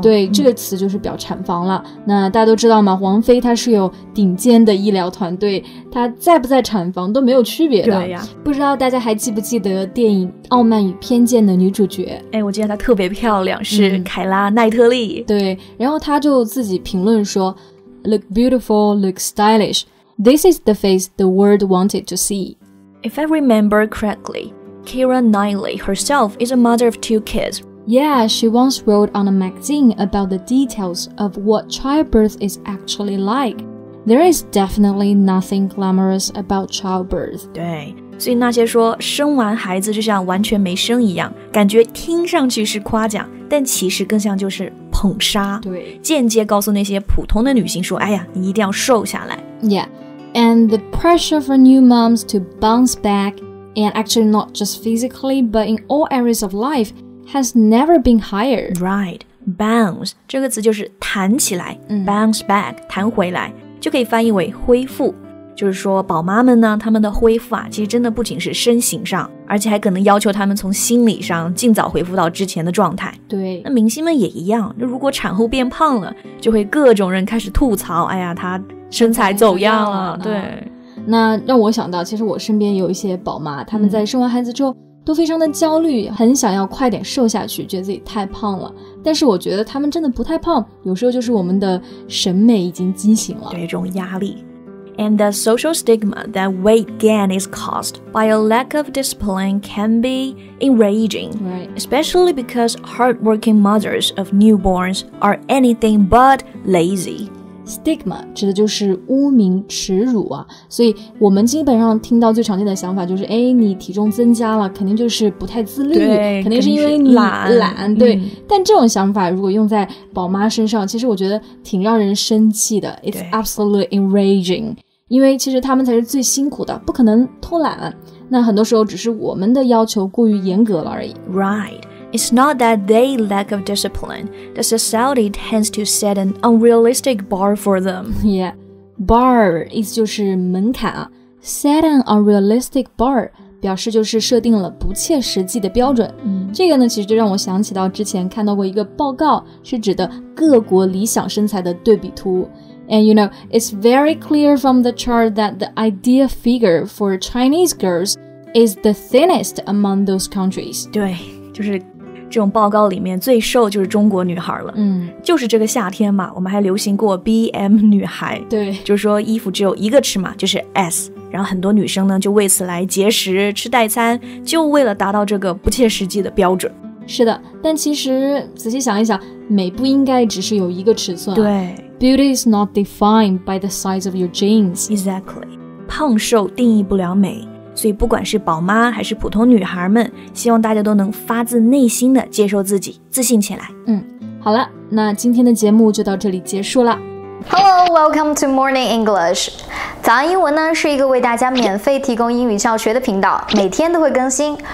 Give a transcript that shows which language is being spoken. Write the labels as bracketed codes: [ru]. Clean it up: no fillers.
[zh] 对，这个词就是表产房了。那大家都知道吗，王妃她是有顶尖的医疗团队，她在不在产房都没有区别的。对呀，不知道大家还记不记得电影《傲慢与偏见》的女主角，哎，我记得她特别漂亮，是凯拉奈特利。对，然后她就自己评论说 [en] Look beautiful, look stylish. This is the face the world wanted to see. If I remember correctlyKira Knightley herself is a mother of two kids. Yeah, she once wrote on a magazine about the details of what childbirth is actually like. There is definitely nothing glamorous about childbirth. [zh] 对，所以那些说生完孩子就像完全没生一样，感觉听上去是夸奖，但其实更像就是捧杀。对，间接告诉那些普通的女性说，哎呀，你一定要瘦下来。 [en] Yeah, and the pressure for new moms to bounce back. And actually not just physically, but in all areas of life, has never been higher. [zh] Right, bounce, 这个词就是弹起来、bounce back, 弹回来，就可以翻译为恢复。就是说宝妈们呢，他们的恢复啊，其实真的不仅是身形上，而且还可能要求他们从心理上尽早恢复到之前的状态。对，那明星们也一样，那如果产后变胖了，就会各种人开始吐槽，哎呀，她身材走样了，对。那让我想到，其实我身边有一些宝妈，他们在生完孩子之后都非常的焦虑，很想要快点瘦下去，觉得自己太胖了。但是我觉得他们真的不太胖，有时候就是我们的审美已经畸形了，对，这种压力。 [en] And the social stigma that weight gain is caused by a lack of discipline can be enraging, right? Especially because hardworking mothers of newborns are anything but lazy [zh] Stigma 指的就是污名耻辱啊，所以我们基本上听到最常见的想法就是，哎，你体重增加了，肯定就是不太自律，肯定是因为你懒，对、但这种想法如果用在宝妈身上，其实我觉得挺让人生气的。 [en] It's absolutely enraging, [zh] 因为其实他们才是最辛苦的，不可能偷懒，那很多时候只是我们的要求过于严格了而已。 RightIt's not that they lack of discipline. The society tends to set an unrealistic bar for them. Yeah, bar 意思就是门槛啊。 [en] Set an unrealistic bar [zh] 表示就是设定了不切实际的标准。这个呢，其实就让我想起到之前看到过一个报告，是指的各国理想身材的对比图。 [en] And you know, it's very clear from the chart that the ideal figure for Chinese girls is the thinnest among those countries. [zh] 对。就是这种报告里面最瘦就是中国女孩了，就是这个夏天嘛，我们还流行过 BM 女孩，对，就是说衣服只有一个尺码，就是 S, 然后很多女生呢就为此来节食吃代餐，就为了达到这个不切实际的标准。是的，但其实仔细想一想，美不应该只是有一个尺寸、对， [en] Beauty is not defined by the size of your jeans. [zh] Exactly, 胖瘦定义不了美，所以不管是宝妈还是普通女孩们，希望大家都能发自内心的接受自己，自信起来。好了，那今天的节目就到这里结束了。 [en] Hello, welcome to Morning English. [zh] 早安英文呢是一个为大家免费提供英语教学的频道，每天都会更新。